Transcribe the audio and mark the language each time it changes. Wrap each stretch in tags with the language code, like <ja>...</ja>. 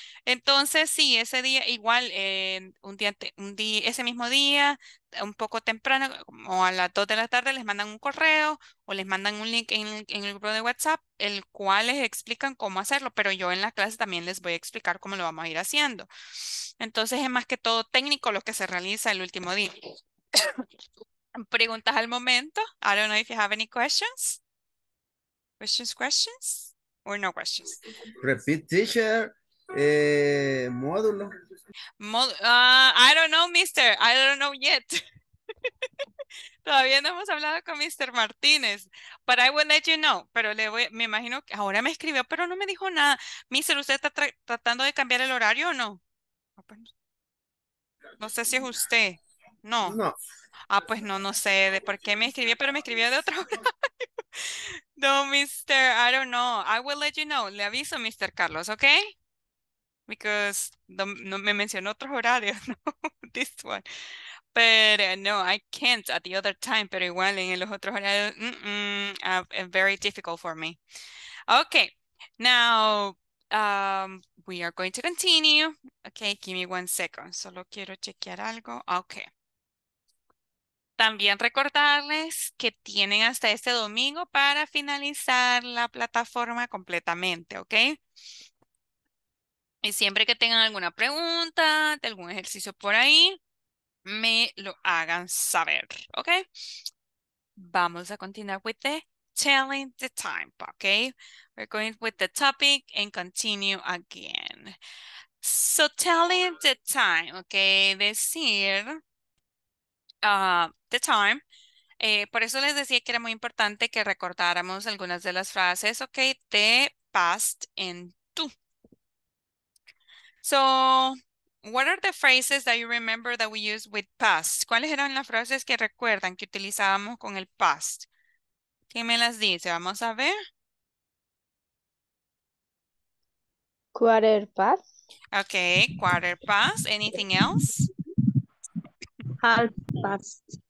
<es>Entonces, sí, ese día, igual, ese mismo día, un poco temprano, como a las 2 de la tarde, les mandan un correo o les mandan un link en el grupo de WhatsApp, el cual les explican cómo hacerlo, pero yo en la clase también les voy a explicar cómo lo vamos a ir haciendo. Entonces, es más que todo técnico lo que se realiza el último día. Preguntas al momento.</es> <en>I don't know if you have any questions. Questions or no questions. Repeat, teacher. Módulo. I don't know, mister. I don't know yet.</en> <es>Todavía no hemos hablado con Mr.</es> <en>Martínez, but I will let you know.</en> <es>Pero me imagino que ahora me escribió, pero no me dijo nada. Mister, ¿usted está tratando de cambiar el horario o no? No sé si es usted. No. No. Ah, pues no sé de por qué me escribió, pero me escribió de otro horario.</es> <en>No, mister, I don't know. I will let you know.</en> <es>Le aviso, Mr. Carlos, ¿ok? Because no me mencionó otros horarios, no,</es> <en>this one. But no, I can't at the other time,</en> <es>pero igual en los otros horarios,</es> <en>very difficult for me. Okay, now we are going to continue. Okay, give me one second.</en> <es>Solo quiero chequear algo.</es> <en>Okay.</en> <es>También recordarles que tienen hasta este domingo para finalizar la plataforma completamente, okay? Y siempre que tengan alguna pregunta, de algún ejercicio por ahí, me lo hagan saber, ¿ok? Vamos a continuar</es> <en>with the telling the time, ¿ok? We're going with the topic and continue again. So, telling the time, ¿ok? Decir the time.</en> <es>Por eso les decía que era muy importante que recordáramos algunas de las frases, ¿ok?</es> <en>The past and tú. So, what are the phrases that you remember that we use with past?</en> <es>¿Cuáles eran las frases que recuerdan que utilizábamos con el past? ¿Qué me las dice? Vamos a ver.</es> <en>Quarter past. Okay, quarter past. Anything else? Half past.</en>